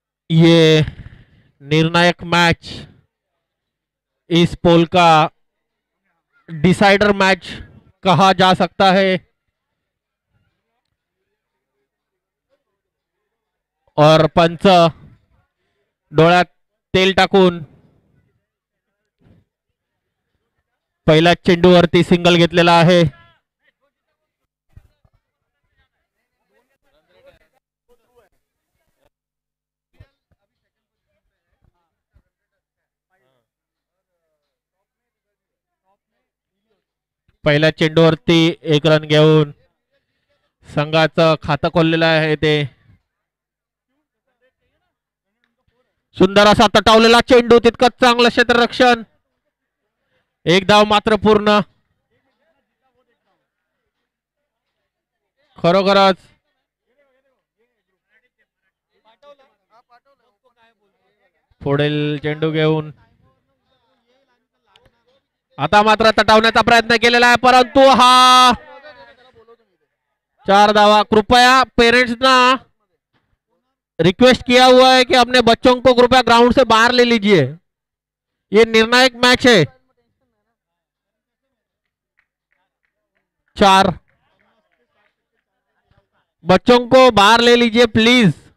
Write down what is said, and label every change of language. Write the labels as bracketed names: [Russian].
[Hindi] ये निर्णायक मैच इस पोल का डिसाइडर मैच कहा जा सकता है. [Marathi] और पंच डोळ्यात तेल टाकून पहिला चेंडू वरती सिंगल घेतलेला आहे. पहिल्या चेंडूवरती एक रन घेऊन संघाचं खातं खोललेलं आहे. ते सुंदर असा तटावलेला चेंडू तितकंच चांगलं क्षेत्ररक्षण एक धाव मात्र पूर्ण. खरोखरच पुढील चेंडू घेऊन आता मात्र तटावण्याचा प्रयत्न केलेला आहे परंतु हा चार धावा. [Hindi] कृपया पेरेंट्स ना रिक्वेस्ट किया हुआ है कि अपने बच्चों को कृपया ग्राउंड से बाहर ले लीजिए. ये निर्णायक मैच है. चार बच्चों को बाहर ले लीजिए प्लीज.